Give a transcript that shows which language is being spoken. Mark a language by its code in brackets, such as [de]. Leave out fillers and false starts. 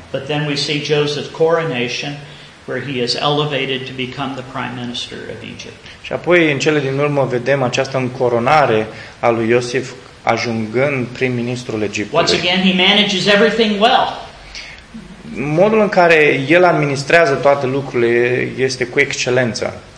[en] But then we see Joseph's coronation where he is elevated to become the prime minister of Egypt. [ro] Și apoi în cele din urmă vedem această încoronare a lui Iosif ajungând prim-ministrul Egiptului. [en] Once again he manages everything well. [ro] Modul în care el administrează toate lucrurile este cu excelență.